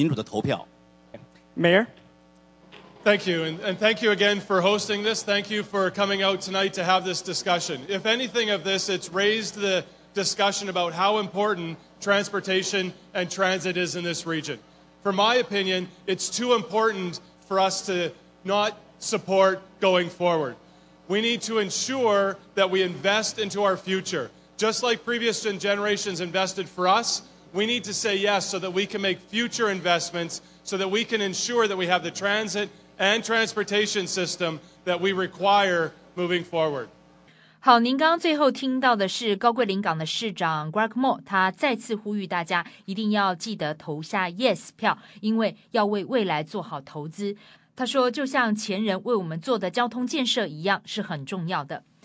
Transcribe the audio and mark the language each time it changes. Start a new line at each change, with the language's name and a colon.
Chinese: 我个人希望呢，我们今后的投票呢，能够充分的结合我们的长期利益和短期利益，我们自己的利益和我们下一代的利益，我们族群的利益和别的族群的利益，这才能够是一个充分最好的民主的投票。Mayor。
English: Thank you, and thank you again for hosting this. Thank you for coming out tonight to have this discussion. If anything of this, it's raised the discussion about how important transportation and transit is in this region. For my opinion, it's too important for us to not support going forward. We need to ensure that we invest into our future. Just like previous generations invested for us, we need to say yes so that we can make future investments, so that we can ensure that we have the transit and transportation system that we require moving forward.
Chinese: 好，您刚刚最后听到的是高贵林港的市长 Greg Moore， 他再次呼吁大家一定要记得投下 yes 票，因为要为未来做好投资。他说，就像前人为我们做的交通建设一样，是很重要的。